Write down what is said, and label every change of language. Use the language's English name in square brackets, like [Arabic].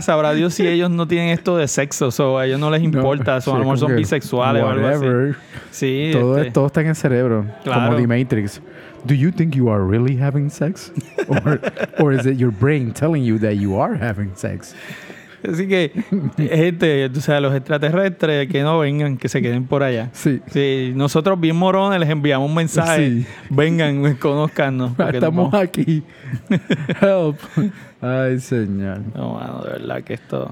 [Spanish] Sabrá Dios si ellos no tienen esto de sexo. O a ellos no les importa. No, a lo mejor son bisexuales, whatever, o algo así. Sí, todo está en el cerebro. Claro. Como The Matrix. [English] Do you think you are really having sex? Or is it your brain telling you that you are having sex? [Spanish] Así que, gente, o sea, los extraterrestres, que no vengan, que se queden por allá. Sí. Sí, nosotros bien morones les enviamos un mensaje. Sí. Vengan, conozcannos. Estamos aquí. Help. Ay, señor. No, mano, de verdad que esto...